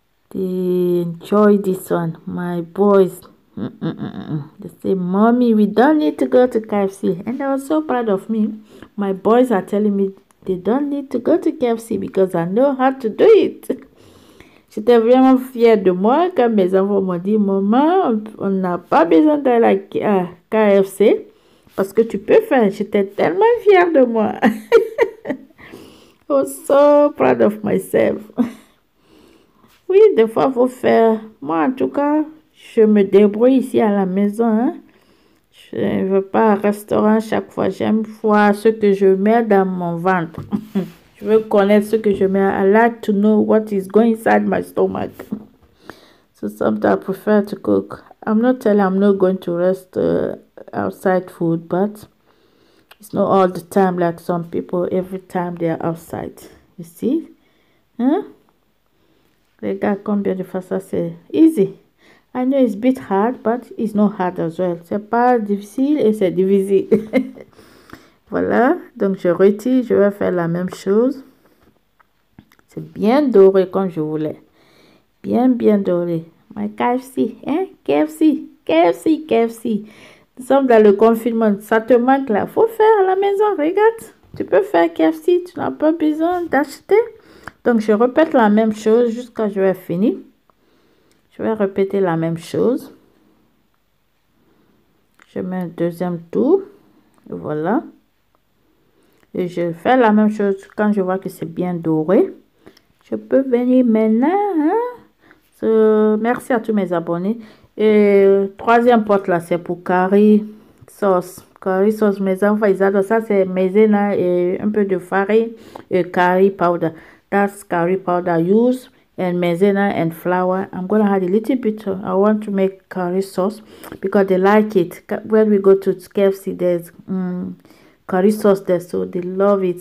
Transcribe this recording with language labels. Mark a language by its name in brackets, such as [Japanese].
[English] They enjoy this one, my boys. They say, Mommy, we don't need to go to KFC. And they are so proud of me. My boys are telling me they don't need to go to KFC because I know how to do it. [French] J'étais vraiment fière de moi quand mes enfants m'ont dit, maman, on n'a pas besoin de la KFC parce que tu peux faire. J'étais tellement fière de moi. [English] Oh, so proud of myself. [French] Oui, des fois, faut faire. Moi, en tout cas, je me débrouille ici à la maison. Hein. Je ne veux pas un restaurant chaque fois. J'aime voir ce que je mets dans mon ventre. Je veux connaître ce que je mets. [English] I like to know what is going inside my stomach. So sometimes I prefer to cook. I'm not telling I'm not going to rest outside food, but it's not all the time like some people. Every time they are outside, you see? Hein? [French] Regarde combien de fois ça c'est [English] easy. I know it's a bit hard, but it's not hard as well. [French] C'est pas difficile et c'est divisible. Voilà, donc je retire, je vais faire la même chose. C'est bien doré comme je voulais. Bien, bien doré. [English] My KFC, hein? KFC, KFC, KFC. [French] Nous sommes dans le confinement. Ça te manque là. Faut faire à la maison, regarde. Tu peux faire KFC, tu n'as pas besoin d'acheter. Donc je répète la même chose jusqu'à ce que je vais finir. Je vais répéter la même chose. Je mets un deuxième tour. Voilà. Et je fais la même chose quand je vois que c'est bien doré. Je peux venir maintenant. Hein? Merci à tous mes abonnés. Et troisième porte là, c'est pour curry sauce. Curry sauce, mes enfants, ils adorent ça. C'est maïzena et un peu de farine et curry powder. [English] That's curry powder use and maïzena and flour. I'm going to add a little bit. I want to make curry sauce because they like it. When we go to KFC, there's curry sauce there, so they love it.